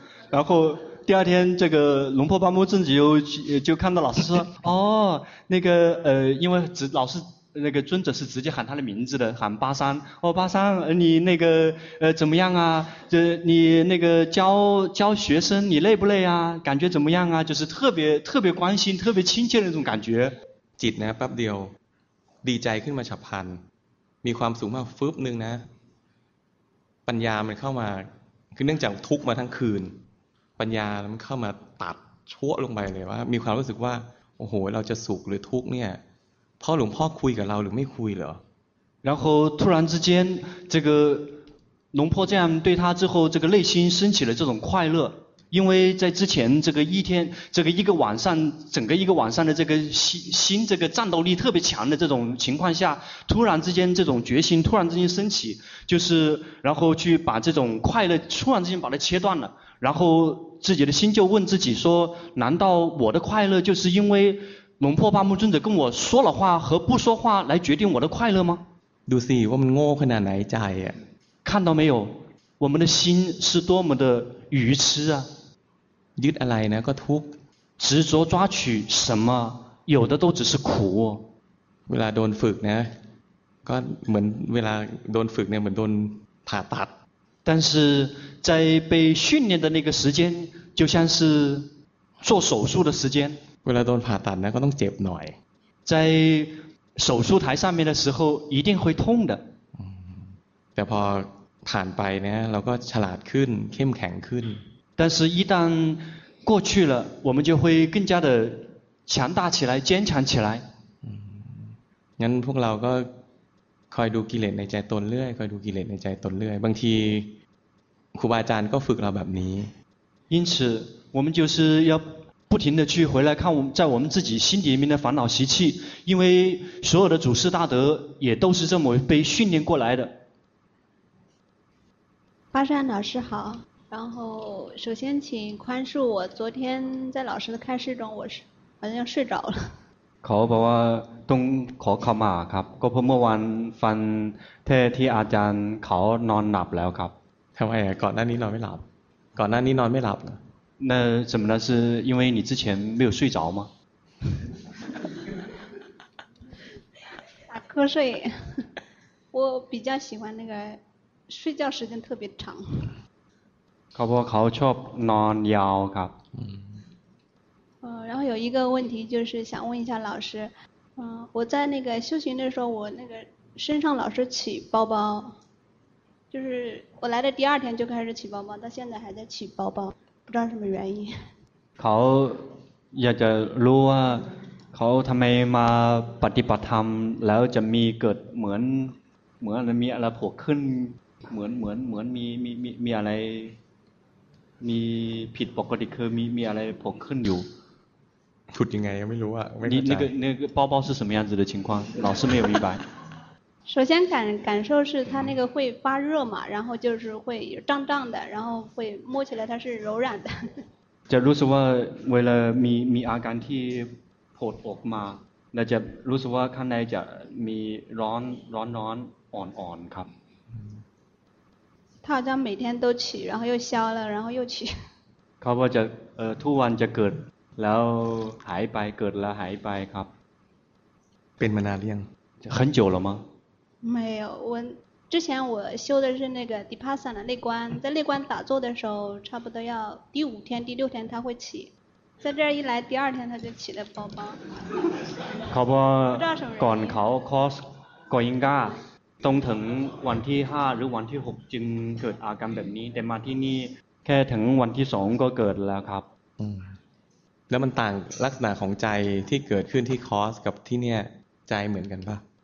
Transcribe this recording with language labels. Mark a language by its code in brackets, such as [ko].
[zh] 然后第二天这个龙破巴木尊者就看到老师说哦那个因为老师那个尊者是直接喊他的名字的喊巴山哦巴山你那个怎么样啊这你那个教学生你累不累啊感觉怎么样啊就是特别关心特别亲切的那种感觉 [th] จิตนะแป๊บเดียวดีใจขึ้นมาฉับพลันมีความสูงมากฟึบนึงนะปัญญามันเข้ามาคือเนื่องจากทุกข์มาทั้งคืนปัญญามันเข้ามาตัดชั่วลงไปเลยว่ามีความรู้สึกว่าโอ้โหเราจะสุขหรือทุกข์เนี่ยพ่อหลวงพ่อคุยกับเราหรือไม่คุยเหรอ [zh] 然后突然之间这个龙婆这样对他之后这个内心升起了这种快乐因为在之前这个一天这个一个晚上整个一个晚上的这个心这个战斗力特别强的这种情况下突然之间这种决心突然之间升起就是然后去把这种快乐突然之间把它切断了然后自己的心就问自己说难道我的快乐就是因为龙破巴木尊者跟我说了话和不说话来决定我的快乐吗 [th] ดูสิว่ามันโง่ขนาดไหนใจอ่ะ [zh] 看到没有我们的心是多么的愚痴啊 [th] ยึดอะไรนะก็ทุกข์ [zh] 执着抓取什么有的都只是苦 [th] เวลาโดนฝึกนะก็เหมือนเวลาโดนฝึกเนี่ยเหมือนโดนผ่าตัด [zh] 但是在被训练的那个时间就像是做手术的时间 [th] เวลาโดนผ่าตัดนะก็ต้องเจ็บหน่อย [zh] 在手术台上面的时候一定会痛的 [th] แต่พอผ่านไปนะเราก็ฉลาดขึ้นเข้มแข็งขึ้น [zh] 但是一旦过去了，我们就会更加的强大起来，坚强起来。 [th] 嗯，งั้นพวกเราก็คอยดูกิเลสในใจตนเรื่อยคอยดูกิเลสในใจตนเรื่อยบางทีครูบาอาจารย์ก็ฝึกเราแบบนี้ [zh] 因此我们就是要不停的去回来看在我们自己心里面的烦恼习气，因为所有的祖师大德也都是这么被训练过来的。巴山老师好，然后首先请宽恕我昨天在老师的开示中我是好像睡着了。 [th] ขอบอกว่าต้องขอขมาครับก็เพราะเมื่อวานฟังเทศที่อาจารย์เขานอนหลับแล้วครับ ทำไมก่อนหน้านี้นอนไม่หลับก่อนหน้านี้นอนไม่หลับเหรอ [zh] 那怎么呢？是因为你之前没有睡着吗？打瞌睡，我比较喜欢那个睡觉时间特别长。 [th] เขาบอกเขาชอบนอนยาวครับ。 [zh] 然后有一个问题就是想问一下老师，我在那个修行的时候，我那个身上老是起包包，就是我来的第二天就开始起包包，到现在还在起包包。不知道什么原因。 [th] เขาอยากจะรู้ว่าเขาทำไมมาปฏิบัติธรรมแล้วจะมีเกิดเหมือนมีอะไรผุดขึ้นเหมือนมีอะไรมีผิดปกติคือมีอะไรผุดขึ้นอยู่ผุดยังไงยังไม่รู้อ่ะไม่ได้ [zh] 那个包包是什么样子的情况老师没有明白首先感受是它那个会发热嘛，然后就是会胀胀的，然后会摸起来它是柔软的。 [th] จะรู้สึกว่าเวลามีอาการที่ปวดออกมาน่าจะรู้สึกว่าข้างในจะมีร้อนอ่อนๆครับ。 [zh] 它好像每天都起，然后又消了，然后又起。 [th] เขาบอกจะทุกวันจะเกิดแล้วหายไปเกิดแล้วหายไปครับ。 เป็นมานานหรือยัง？ [zh] 很久了吗？没有，我之前我修的是那个 Dipassana 内观，在内观打坐的时候，差不多要第五天、第六天他会起，在这儿一来，第二天他就起了包包。他不知道什么原因。 [th] ก่อนเขา course ก่อนยังก็ต้องถึงวันที่ห้าหรือวันที่หกจึงเกิดอาการแบบนี้แต่มาที่นี่แค่ถึงวันที่สองก็เกิดแล้วครับ。嗯，แล้วมันต่างลักษณะของใจที่เกิดขึ้นที่ course กับที่เนี่ยใจเหมือนกันปะ？